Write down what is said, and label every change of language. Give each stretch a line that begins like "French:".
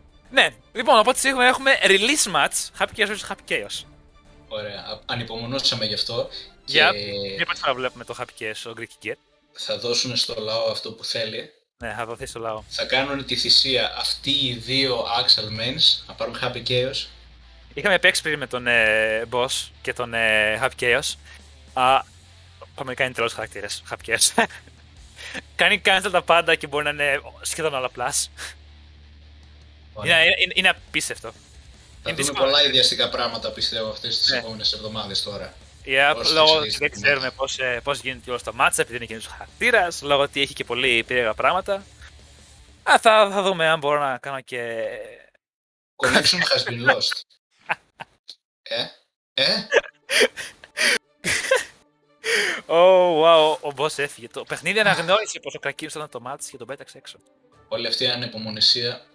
Greek: Ναι, λοιπόν, οπότε σίγουρα έχουμε release match Happy Chaos vs Happy Chaos. Ωραία, ανυπομονώσαμε γι' αυτό. Για και... πρώτη φορά βλέπουμε το Happy Chaos στο Greek Gear. Θα δώσουν στο λαό αυτό που θέλει. Ναι, θα δοθεί στο λαό. Θα κάνουν τη θυσία αυτοί οι δύο Axel Mans να πάρουν Happy Chaos. Είχαμε παίξει πριν με τον boss και τον Happy Chaos. Πάμε να κάνει τρελός χαρακτήρες, Happy Chaos. Κάνει cancel τα πάντα και μπορεί να είναι σχεδόν όλα plus. Είναι απίστευτο. Θα είναι δούμε πολλά ιδιαστικά πράγματα πιστεύω αυτές τις επόμενες εβδομάδες τώρα. Δεν ξέρουμε πώς γίνεται όλο το match επειδή είναι καινούργιος χαρακτήρας, λόγω ότι έχει και πολύ περίεργα πράγματα. Θα δούμε αν μπορώ να κάνω και...
English: Connection has been lost.
Greek: Oh, wow, ο boss έφυγε. Το παιχνίδι αναγνώρισε πόσο κακή ήταν το match και τον πέταξε έξω. Όλη αυτή η ανεπομονησία...